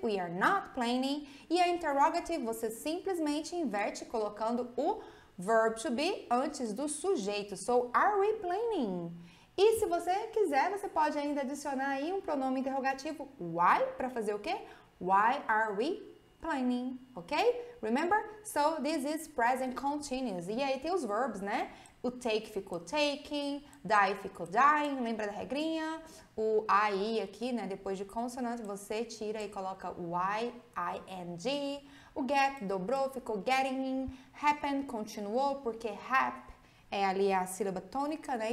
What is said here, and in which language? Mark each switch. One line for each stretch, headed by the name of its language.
English: We are not planning.
Portuguese: E a interrogative, você simplesmente inverte colocando o verb to be antes do sujeito.
English: So, are we planning?
Portuguese: E se você quiser, você pode ainda adicionar aí um pronome interrogativo, why, para fazer o quê?
English: Why are we planning? Ok? Remember? So, this is present continuous.
Portuguese: E aí tem os verbs, né? O take ficou taking, die ficou dying, lembra da regrinha? O I aqui, né? Depois de consonante, você tira e coloca Y, ING. O get dobrou, ficou getting. Happen continuou, porque hap é ali a sílaba tônica, né?